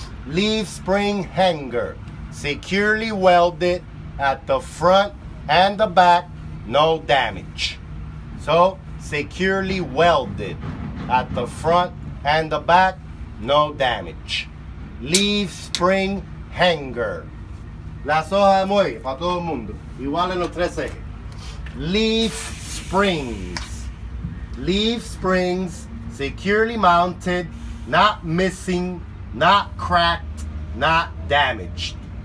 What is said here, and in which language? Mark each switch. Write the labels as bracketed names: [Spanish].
[English] Leaf spring hanger. Securely welded at the front and the back, no damage. So, securely welded at the front and the back, no damage. Leaf spring hanger. [Spanish] Las hojas de muelle para todo el mundo. Igual en los tres ejes. [English] Leaf springs. Leaf springs securely mounted, not missing, not cracked, not damaged.